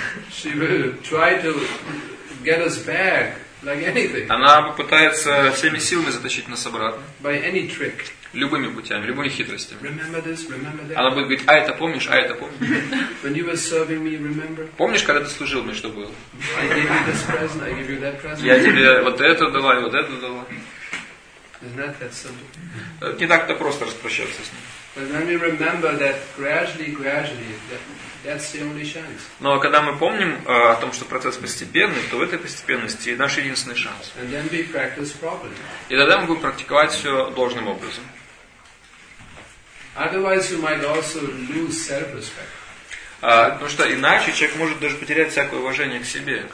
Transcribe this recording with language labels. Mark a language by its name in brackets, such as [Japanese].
[English] She will try to get us back. Like anything. [Russian] Она попытается всеми силами затащить нас обратно. [English] By any trick. [Russian] любыми путями, любыми хитростями. [English] Remember this, remember that. [Russian] Она будет говорить, а это помнишь, а это помнишь. [English] When you were serving me, remember? [Russian] Помнишь, когда ты служил мне, что было? [English] I gave you this present, I gave you that present. [Russian] Я тебе вот это дала и вот это дала. [English] It's not that simple. [Russian] Это не так-то просто распрощаться с ним. [English] But when we remember that gradually, that's the only chance. [Russian] Но когда мы помним о том, что процесс постепенный, то в этой постепенности наш единственный шанс. [English] And then we practice properly. [Russian] И тогда мы будем практиковать все должным образом. [English] Otherwise, you might also lose self-respect. [Russian] Потому что иначе человек может даже потерять всякое уважение к себе.